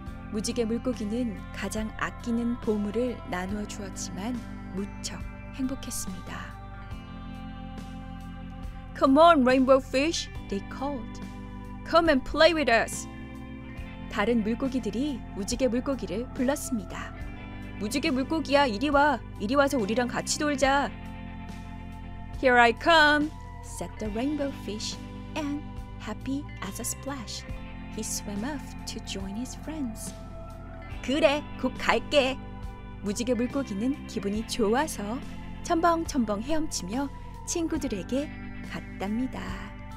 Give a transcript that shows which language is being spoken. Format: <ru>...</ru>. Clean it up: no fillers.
<ko>무지개 물고기는 가장 아끼는 보물을 나누어 주었지만 무척 행복했습니다.</ko> <en>Come on, rainbow fish, they called. Come and play with us.</en> <ko>다른 물고기들이 무지개 물고기를 불렀습니다. 무지개 물고기야, 이리 와. 이리 와서 우리랑 같이 놀자.</ko> <en>Here I come, said the rainbow fish, and happy as a splash, he swam off to join his friends.</en> <ko>그래, 곧 갈게. 무지개 물고기는 기분이 좋아서 첨벙첨벙 헤엄치며 친구들에게 갔답니다.</ko>